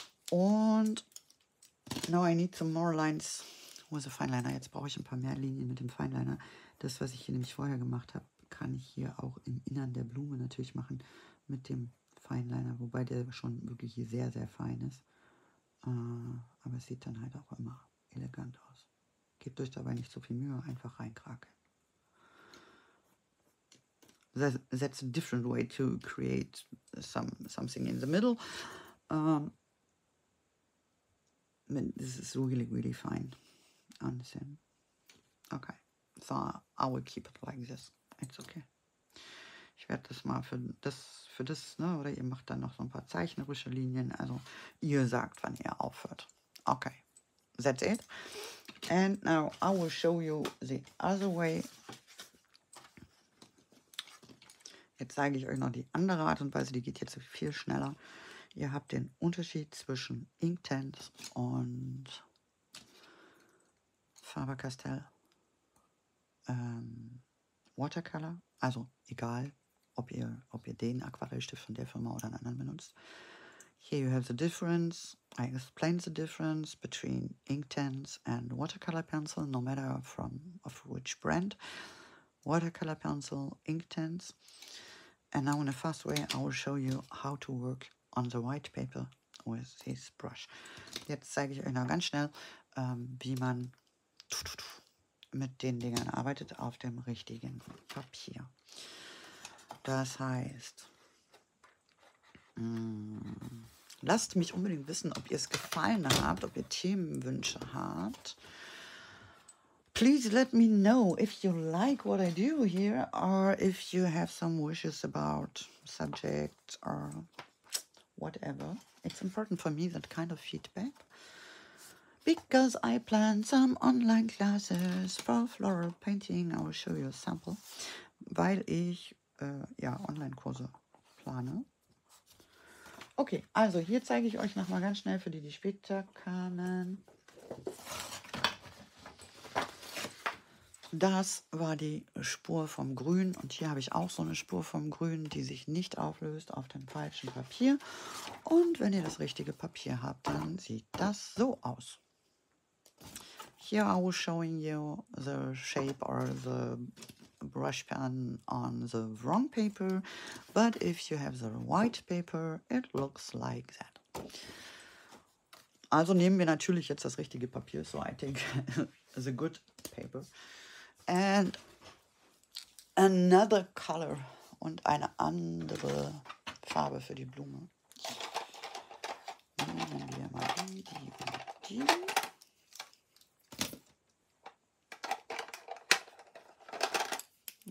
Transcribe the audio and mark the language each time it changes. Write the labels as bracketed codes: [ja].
[en] Und now I need some more lines with a fineliner. [de] Jetzt brauche ich ein paar mehr Linien mit dem Fineliner. Das, was ich hier nämlich vorher gemacht habe, kann ich hier auch im Innern der Blume natürlich machen mit dem Fineliner, wobei der schon wirklich sehr, sehr fein ist. Aber es sieht dann halt auch immer elegant aus. Gebt euch dabei nicht so viel Mühe, einfach reinkrakeln. [en] That's a different way to create something in the middle. This is really, really fine on the same. Okay, so I will keep it like this. It's okay. [de] Ich werde das mal für das, ne? Oder ihr macht dann noch so ein paar zeichnerische Linien. Also ihr sagt, wann ihr aufhört. [en] Okay, that's it. And now I will show you the other way. [de] Jetzt zeige ich euch noch die andere Art und Weise, die geht jetzt viel schneller. Ihr habt den Unterschied zwischen Inktense und Faber-Castell Watercolor. Also egal, ob ihr den Aquarellstift von der Firma oder einen anderen benutzt. [en] Here you have the difference. I explained the difference between Inktense and Watercolor Pencil, no matter of which brand. Watercolor Pencil, Inktense. And now in a fast way, I will show you how to work on the white paper with this brush. [de] Jetzt zeige ich euch noch ganz schnell, wie man mit den Dingern arbeitet auf dem richtigen Papier. Das heißt, lasst mich unbedingt wissen, ob ihr es gefallen habt, ob ihr Themenwünsche habt. [en] Please let me know if you like what I do here or if you have some wishes about subjects or whatever. It's important for me, that kind of feedback. Because I plan some online classes for floral painting. I will show you a sample. [de] Weil ich Online-Kurse plane. Okay, also hier zeige ich euch nochmal ganz schnell für die später kamen. Das war die Spur vom Grün und hier habe ich auch so eine Spur vom Grün, die sich nicht auflöst auf dem falschen Papier. Und wenn ihr das richtige Papier habt, dann sieht das so aus. [en] Here I was showing you the shape or the brush pen on the wrong paper, but if you have the white paper, it looks like that. [de] Also nehmen wir natürlich jetzt das richtige Papier. [en] So, I think it's a good paper. And another color. [de] Und eine andere Farbe für die Blume. Nehmen wir mal die, die und die.